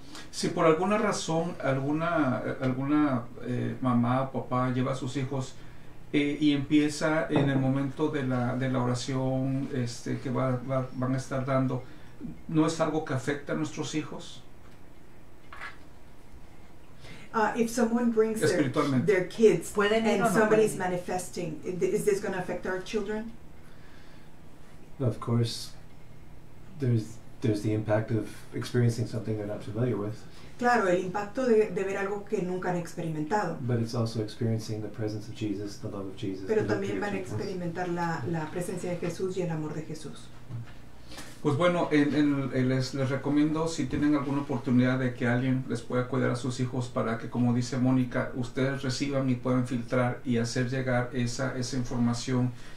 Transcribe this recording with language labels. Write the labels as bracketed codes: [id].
[es] Si por alguna razón alguna mamá o papá lleva a sus hijos y empieza en el momento de la oración que van a estar dando, ¿no es algo que afecta a nuestros hijos? [en] If someone brings their kids and somebody's manifesting, is this going to affect our children? Of course. There's the impact of experiencing something they're not familiar with. [es] Claro, el impacto de ver algo que nunca han experimentado. [en] But it's also experiencing the presence of Jesus, the love of Jesus. [es] Pero también van a experimentar la presencia de Jesús y el amor de Jesús. Pues bueno, les recomiendo, si tienen alguna oportunidad de que alguien les pueda cuidar a sus hijos, para que, como dice Mónica, ustedes reciban y puedan filtrar y hacer llegar esa información.